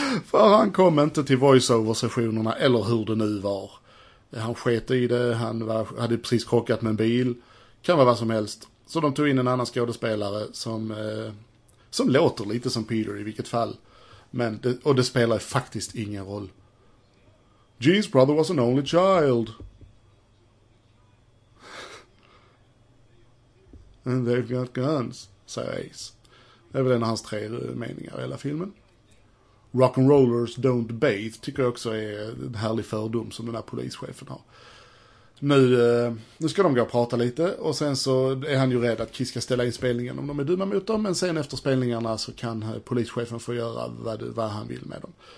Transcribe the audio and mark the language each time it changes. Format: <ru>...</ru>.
<sv>För han kom inte till voiceover-sessionerna eller hur det nu var. Han skete i det, hade precis krockat med en bil. Kan vara vad som helst. Så de tog in en annan skådespelare som låter lite som Peter i vilket fall. Men det spelar faktiskt ingen roll.</sv> <en>Jean's brother was an only child. And they've got guns,</en> <sv>säger Ace. Det är väl en av hans tre meningar i hela filmen.</sv> <en>Rock'n'rollers don't bathe</en> <sv>tycker jag också är en härlig fördom som den här polischefen har. Nu ska de gå och prata lite och sen så är han ju rädd att Kiss ska ställa in spelningen om de är dumma mot dem. Men sen efter spelningarna så kan polischefen få göra vad han vill med dem.</sv>